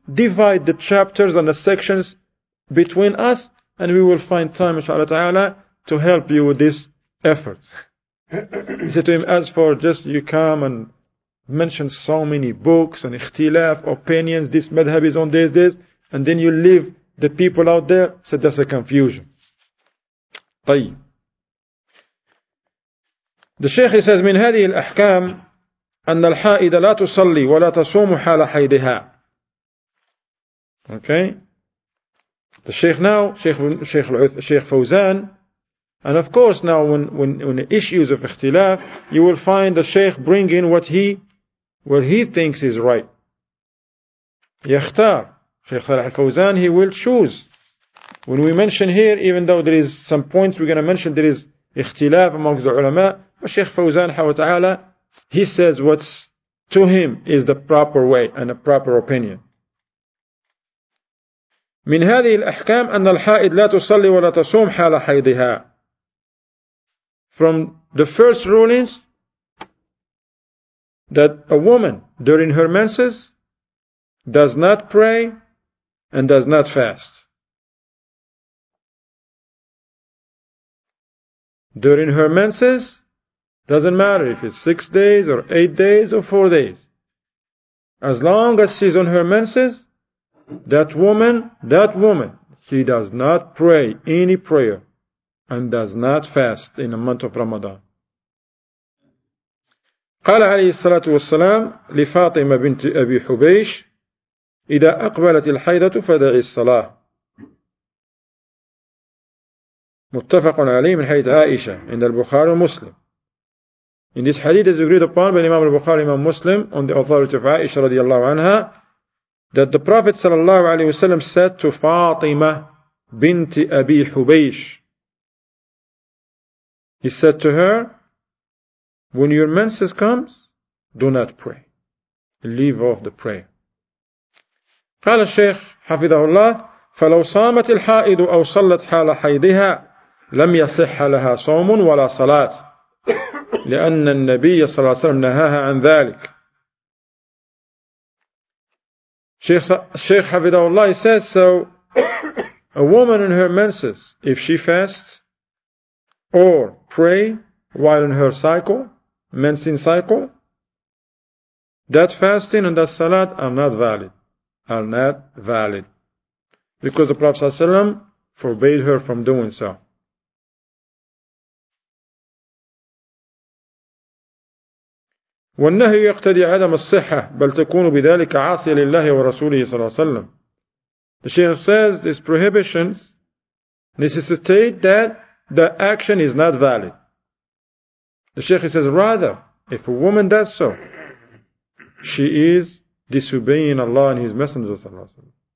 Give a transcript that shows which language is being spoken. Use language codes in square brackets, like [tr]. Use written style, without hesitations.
[en] Divide the chapters and the sections between us, and we will find time, inshallah ta'ala, to help you with this effort. He said to him, as for just you come and mention so many books and ikhtilaf, opinions, this madhab is on this, and then you leave the people out there. He said, that's a confusion. [ar] طيب. [en] The Shaykh says, [ar] من هذه الأحكام أن الحائدة لا تصلي ولا تصوم حال حيدها. [en] Okay. The Shaykh now, Shaykh Fawzan, and of course now when the issues of اختلاف, you will find the Shaykh bringing what he thinks is right. [ar] يختار. [en] Shaykh Salih Fawzan, he will choose. When we mention here, even though there is some points we're going to mention, there is اختلاف amongst the ulama, Shaykh Fawzan, he says what's to him is the proper way and a proper opinion. [ar] من هذه الأحكام أن الحائض لا تصلي ولا تصوم حال حيضها. [en] From The first rulings that a woman during her menses does not pray and does not fast. During her menses, doesn't matter if it's 6 days or 8 days or 4 days. As long as she's on her menses, that woman, she does not pray any prayer and does not fast in the month of Ramadan. [ar] قال عليه الصلاة والسلام لفاطمة بنت أبي حبيش إذا أقبلت الحيضة فدعي الصلاة. متفق عليه من حديث عائشة عند البخاري ومسلم. [en] In this hadith is agreed upon by Imam al-Bukhari, Imam Muslim, on the authority of Aisha radiallahu anha, that the Prophet sallallahu alayhi wa sallam said to Fatima binti Abi Hubaysh, he said to her, when your menses comes, do not pray. Leave off the prayer. [ar] قال الشيخ حفظه الله فلو صامت الحائض أو صلت حال حيضها لم يصح لها صوم ولا صلاة لأن النبي صلى الله عليه وسلم نهاها عن ذلك. [en] Sheikh Hafidahullah says, so a woman in her menses, if she fasts or pray while in her cycle, menstruation cycle, that fasting and that salat are not valid. Are not valid. Because the Prophet Sallallahu Alaihi Wasallam forbade her from doing so. [ar] والنهي يقتضي عدم الصحة بل تكون بذلك عاصية لله ورسوله صلى الله عليه وسلم. [en] The Shaykh says these prohibitions necessitate that the action is not valid. The Shaykh says rather if a woman does so, she is disobeying Allah and His Messenger [ar] صلى الله عليه وسلم.